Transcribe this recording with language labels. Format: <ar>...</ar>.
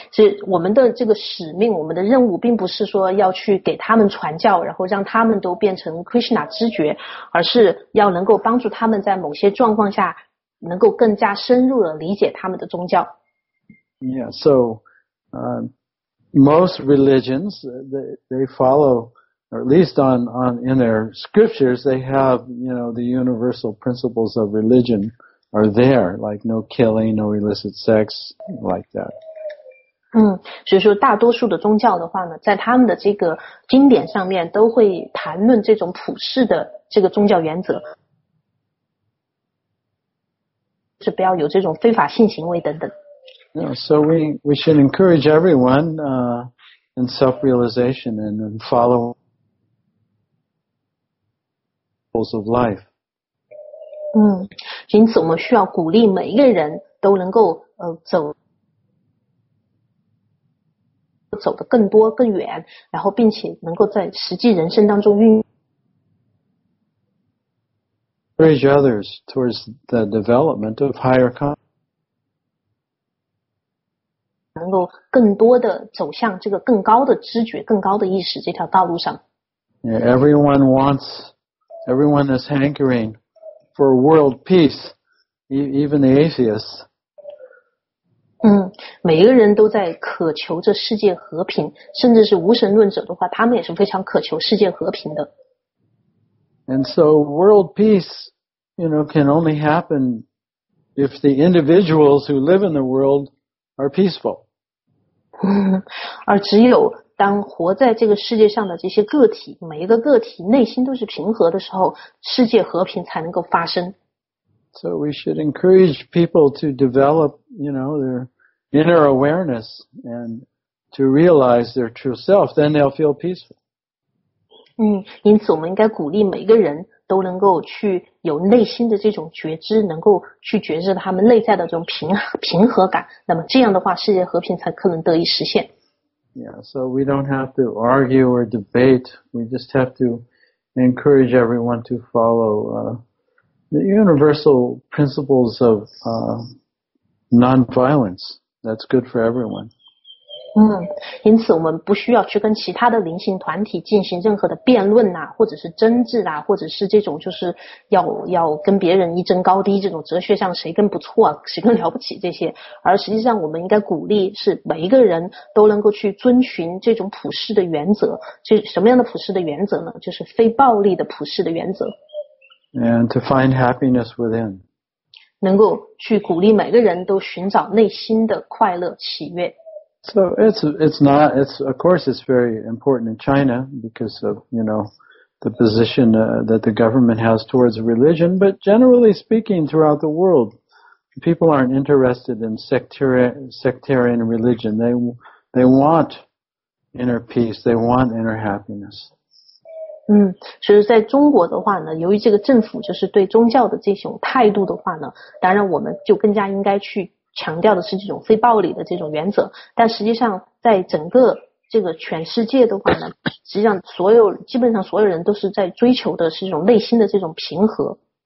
<zh>是我们的这个使命，我们的任务并不是说要去给他们传教，然后让他们都变成 Krishna 知觉，而是要能够帮助他们在某些状况下能够更加深入的理解他们的宗教。</zh> <en>Yeah. So, Most religions, they follow, or at least in their scriptures, they have, you know, the universal principles of religion are there, like no killing, no illicit sex, like that.</en> <zh>所以说大多数的宗教的话呢，在他们的这个经典上面都会谈论这种普世的这个宗教原则，是不要有这种非法性行为等等。</zh> <en>Yeah, so we should encourage everyone in self-realization and in following the rules of life.</en> <zh>因此我们需要鼓励每一个人都能够走得更多更远，然后并且能够在实际人生当中运用。</zh> <en>Encourage others towards the development of higher consciousness.</en> <zh>够更多的走向这个更高的知觉更高的意识这条道路上</zh> <en>yeah, everyone wants everyone is hankering for world peace even the atheists</en> <zh>每一个人都在渴求着世界和平甚至是无神论者的话他们也是非常渴求世界和平的</zh> <en>and so world peace you know can only happen if the individuals who live in the world are peaceful</en> <zh>而只有当活在这个世界上的这些个体每一个个体内心都是平和的时候世界和平才能够发生</zh> <en>so we should encourage people to develop you know their inner awareness and to realize their true self then they'll feel peaceful</en> <zh>因此我们应该鼓励每一个人都能够去有内心的这种觉知能够去觉知他们内在的这种平和感那么这样的话世界和平才可能得以实现</zh> <en>Yeah, so we don't have to argue or debate we just have to encourage everyone to follow the universal principles of non-violence that's good for everyone</en> <zh>因此我们不需要去跟其他的灵性团体进行任何的辩论啊或者是争执啊或者是这种就是要跟别人一争高低这种哲学上谁更不错啊谁更了不起这些而实际上我们应该鼓励是每一个人都能够去遵循这种普世的原则就什么样的普世的原则呢就是非暴力的普世的原则</zh> <en>And to find happiness within</en> <zh>能够去鼓励每个人都寻找内心的快乐喜悦</zh> <en>So it's of course it's very important in China because of, you know, the position that the government has towards religion, but generally speaking throughout the world, people aren't interested in sectarian religion. They want inner peace, they want inner happiness.</en> <zh>所以在中国的话呢由于这个政府就是对宗教的这种态度的话呢当然我们就更加应该去强调的是这种非暴力的这种原则但实际上在整个这个全世界的话呢实际上所有基本上所有人都是在追求的是这种内心的这种平和</zh>